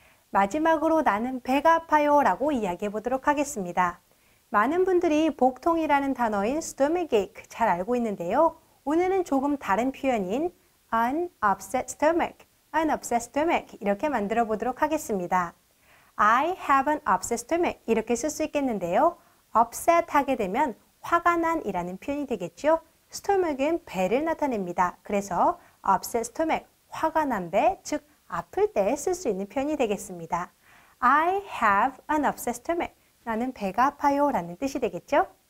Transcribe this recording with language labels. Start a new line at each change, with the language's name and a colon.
Korean: 마지막으로 나는 배가 아파요 라고 이야기해 보도록 하겠습니다. 많은 분들이 복통이라는 단어인 stomach ache 잘 알고 있는데요. 오늘은 조금 다른 표현인
English: an upset stomach
Korean: 이렇게 만들어 보도록 하겠습니다.
English: I have an upset stomach
Korean: 이렇게 쓸 수 있겠는데요. upset 하게 되면 화가 난 이라는 표현이 되겠죠? stomach은 배를 나타냅니다. 그래서
English: upset stomach,
Korean: 화가 난 배, 즉 아플 때 쓸 수 있는 표현이 되겠습니다.
English: I have an upset stomach.
Korean: 나는 배가 아파요 라는 뜻이 되겠죠?